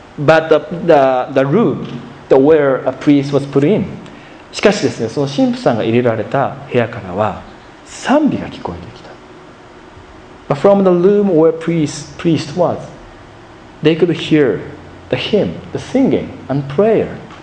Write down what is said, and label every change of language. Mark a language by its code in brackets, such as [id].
[en] But the room where a priest was put in. [ja] しかしですね、その神父さんが入れられた部屋からは賛美が聞こえてきた。 [en] From the room where priest was, they could hear the hymn, the singing and prayer.